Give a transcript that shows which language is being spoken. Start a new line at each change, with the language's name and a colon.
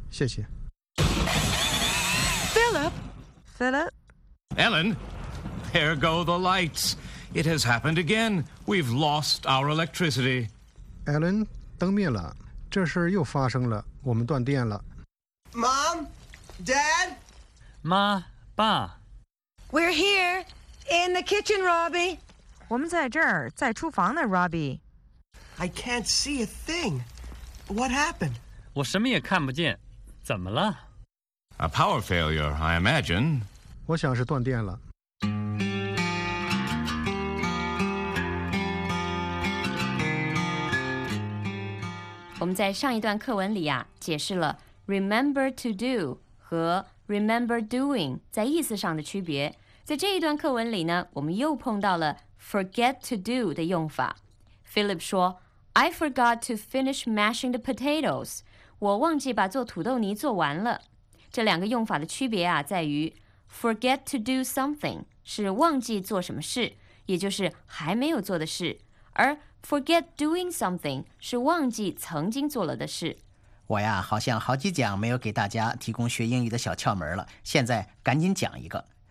Chinese: 谢谢。
English: Philip? Ellen, there go the lights. It has happened again. We've lost our electricity.
Chinese: Ellen, 灯灭了。这事又发生了。我们断电了。
English: Mom? Dad?
Chinese: 妈爸。
English: We're here, in the kitchen, Robbie.
Chinese: 我们在这儿，在厨房呢 ,Robbie.
English: I can't see a thing. What happened?
Chinese: 我什么也看不见。怎么了？
English: A power failure, I imagine.
Chinese: 我想是断电了。我们在上一段课文里啊，解释了 remember to do 和 remember doing 在意思上的区别。在这一段课文里呢，我们又碰到了 forget to do 的用法。
English: Philip 说 ,I forgot to finish mashing the potatoes.
Chinese: 我忘记把做土豆泥做完了。这两个用法的区别啊，在于 forget to do something 是忘记做什么事，也就是还没有做的事，而 forget doing something 是忘记曾经做了的事。我呀，好像好几讲没有给大家提供学英语的小窍门了，现在赶紧讲一个。